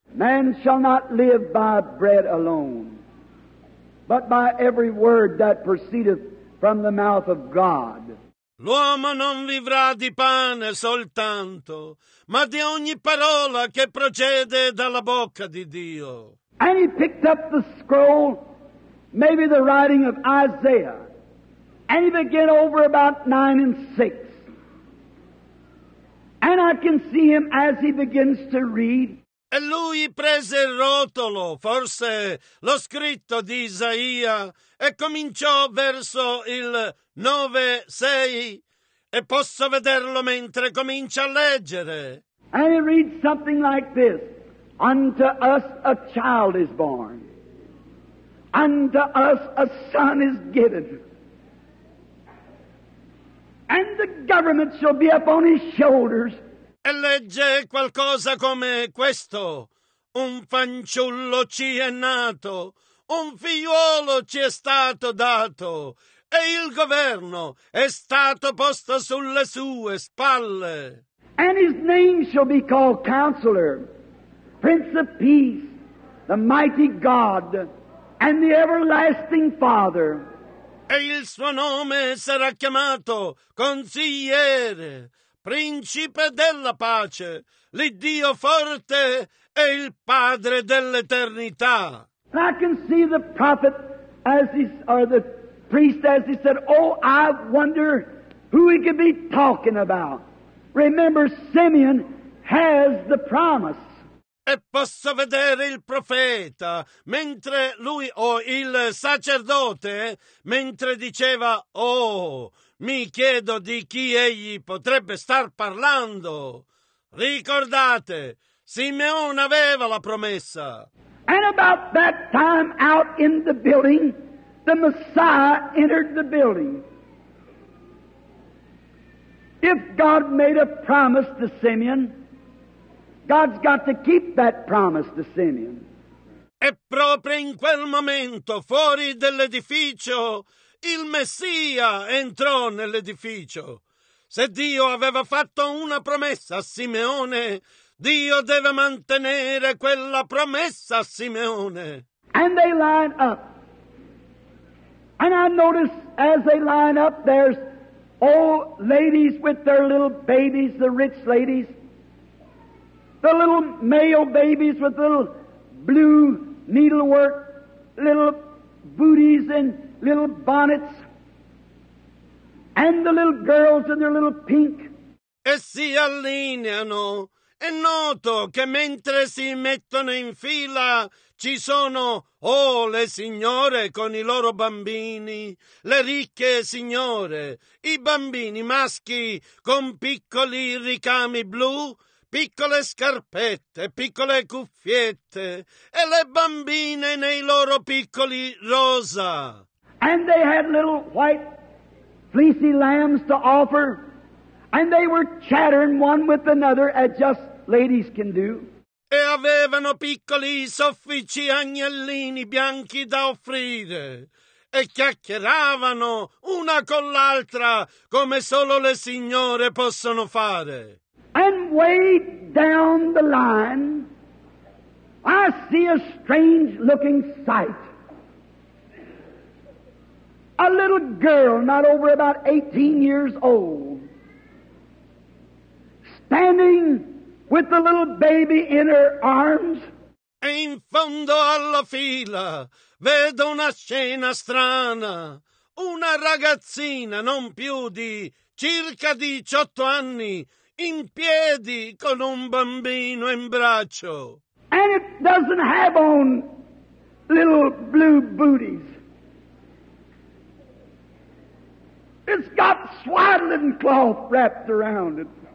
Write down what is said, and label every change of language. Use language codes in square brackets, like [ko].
[en] Man shall not live by bread alone, but by every word that proceedeth from the mouth of God. [it] L'uomo non vivrà di pane soltanto, ma di ogni parola che procede dalla bocca di Dio. [en] And he picked up the scroll, maybe the writing of Isaiah, and he began over about 9 and 6. And I can see him as he begins to read. [it] E lui prese il rotolo, forse lo scritto di Isaia, e cominciò verso il 9-6, e posso vederlo mentre comincia a leggere. [en] And he reads something like this. Unto us a child is born, unto us a son is given, and the government shall be upon his shoulders. [it] E legge qualcosa come questo. Un fanciullo ci è nato, un figliuolo ci è stato dato, e il governo è stato posto sulle sue spalle. [en] And his name shall be called Counselor, Prince of Peace, the Mighty God, and the Everlasting Father. [it] E il suo nome sarà chiamato Consigliere, Principe della Pace, l'Iddio Forte e il Padre dell'Eternità. [en] I can see the prophet as he, or the priest as he said, oh, I wonder who he could be talking about. Remember, Simeon has the promise. [it] E posso vedere il profeta, mentre lui, o il sacerdote, mentre diceva, oh, mi chiedo di chi egli potrebbe star parlando. Ricordate, Simeone aveva la promessa. [en] And about that time out in the building, the Messiah entered the building. If God made a promise to Simeon, God's got to keep that promise to Simeon. [it] E proprio in quel momento, fuori dell'edificio, il Messia entrò nell'edificio. Se Dio aveva fatto una promessa a Simeone, Dio deve mantenere quella promessa a Simeone. [en] And they line up. And I notice as they line up, there's old ladies with their little babies, the rich ladies. The little male babies with little blue needlework, little booties and little bonnets, and the little girls in their little pink. [it] E si allineano è noto che mentre si mettono in fila ci sono le signore con i loro bambini, le ricche signore, i bambini maschi con piccoli ricami blu, piccole scarpette, piccole cuffiette, e le bambine nei loro piccoli rosa. [en] And they had little white fleecy lambs to offer, and they were chattering one with another as just ladies can do. [it] E avevano piccoli soffici agnellini bianchi da offrire, e chiacchieravano una con l'altra come solo le signore possono fare. [en] And way down the line, I see a strange-looking sight. A little girl, not over about 18 years old, standing with the little baby in her arms. [it] E in fondo alla fila vedo una scena strana. Una ragazzina non più di circa 18 anni, in piedi con un bambino in braccio. [en] And it doesn't have on little blue booties. It's got swaddling cloth wrapped around it.